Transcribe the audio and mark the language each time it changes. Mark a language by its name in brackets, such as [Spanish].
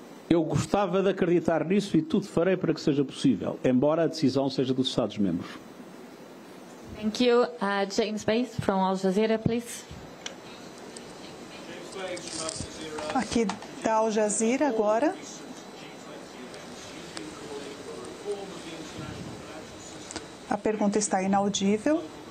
[Portuguese] Eu gostava de acreditar nisso e tudo farei para que seja possível, embora a decisão seja dos Estados-membros. [English] Thank you. James Bates, from Al Jazeera, please. [Portuguese] Aqui está Al Jazeera agora. A pergunta está inaudível.